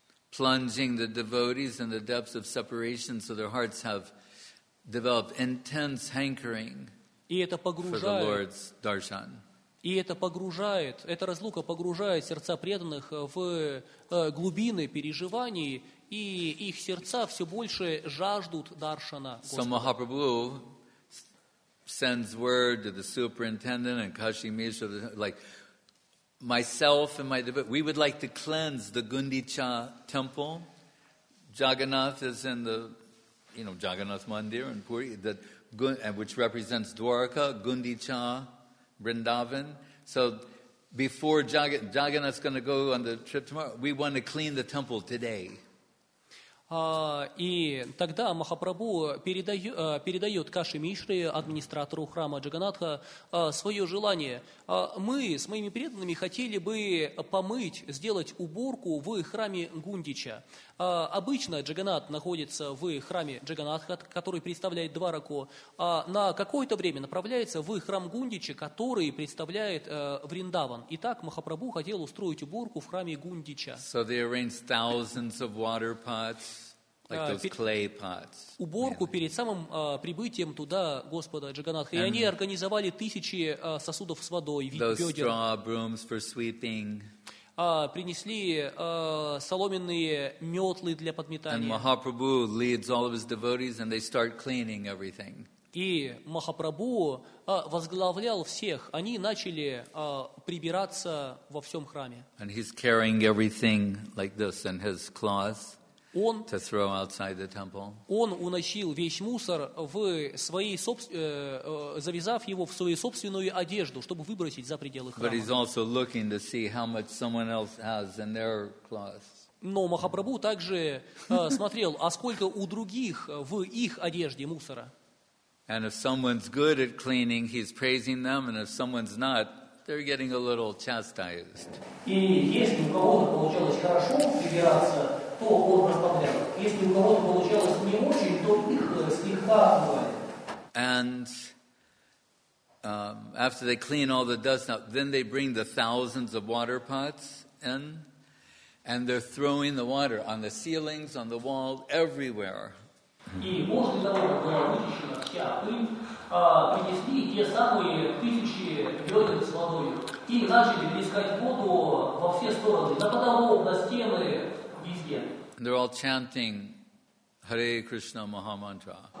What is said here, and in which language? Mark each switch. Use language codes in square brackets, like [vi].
[en] Plunging the devotees in the depths of separation so their hearts have develop intense hankering for the Lord's darshan. [ru] И это погружает, эта разлука погружает сердца преданных в глубины переживаний, и их сердца все больше жаждут даршана. [en] So Mahaprabhu sends word to the superintendent and Kashi Mishra, like myself and my devotees, we would like to cleanse the Gundicha temple. Jagannath is in the Jagannath Mandir in Puri, that which represents Dwarka, Gundicha, Vrindavan. So before Jagannath's going to go on the trip tomorrow, we want to clean the temple today. [ru] И тогда Махапрабху передает Каши Мишре, администратору храма Джаганатха, свое желание. Мы с моими преданными хотели бы помыть, сделать уборку в храме Гундича. Обычно Джаганат находится в храме Джаганатха, который представляет Двараку, а на какое-то время направляется в храм Гундича, который представляет Вриндаван. Итак, Махапрабху хотел устроить уборку в храме Гундича. [en] So they arranged thousands of water pots. Like those clay pots. [ru] Уборку перед самым прибытием туда Господа Джаганатха. И они организовали тысячи сосудов с водой, бёдер. [en] Those straw brooms for sweeping. [ru] Принесли соломенные метлы для подметания. [en] And Mahaprabhu leads all of his devotees and they start cleaning everything. [ru] И Махапрабху возглавлял всех. Они начали прибираться во всем храме. [en] And he's carrying everything like this in his claws. To throw outside the temple. [ru] Он уносил весь мусор в своей завязав его в свою собственную одежду, чтобы выбросить за пределы храма. [en] But he's also looking to see how much someone else has in their clothes. [ru] Но Махапрабху также смотрел, а сколько у других в их одежде мусора. [en] And if someone's good at cleaning, he's praising them, and if someone's not, they're getting a little chastised. [ru] И если у кого-то получалось хорошо прибираться, то он расправлял. Если у кого-то получалось не очень, то их слегка отмывали. [en] And after they clean all the dust out, then they bring the thousands of water pots in, and they're throwing the water on the ceilings, on the wall, everywhere. [ru] И после того, как была вытащена вся пыль, принесли те самые тысячи бёдер с водой и начали плескать воду во все стороны, на потолок, на стены, везде. [en] They're all chanting Hare Krishna Maha Mantra.